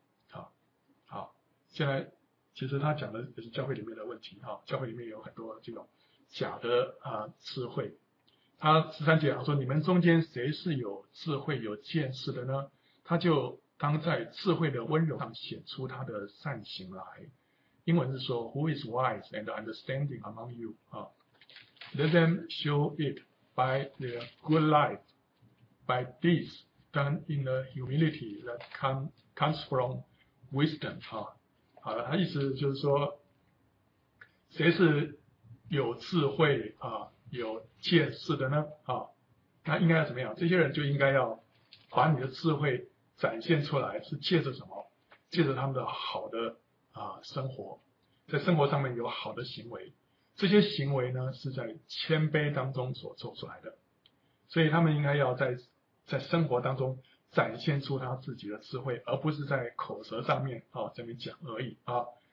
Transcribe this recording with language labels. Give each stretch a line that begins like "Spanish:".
Chinese: 好，现在其实他讲的也是教会里面的问题啊，教会里面有很多这种假的智慧。他十三节说，你们中间谁是有智慧有见识的呢？他就当在智慧的温柔上显出他的善行来。英文是说
English: Who is wise and understanding among you? Let them show it by their good life, by deeds done in the humility that comes from wisdom.
Chinese: 好了，他意思就是说谁是有智慧有见识的呢？啊，那应该怎么样？这些人就应该要把你的智慧展现出来，是借着什么？借着他们的好的生活，在生活上面有好的行为，这些行为呢是在谦卑当中所做出来的，所以他们应该要在生活当中展现出他自己的智慧，而不是在口舌上面这边讲而已啊。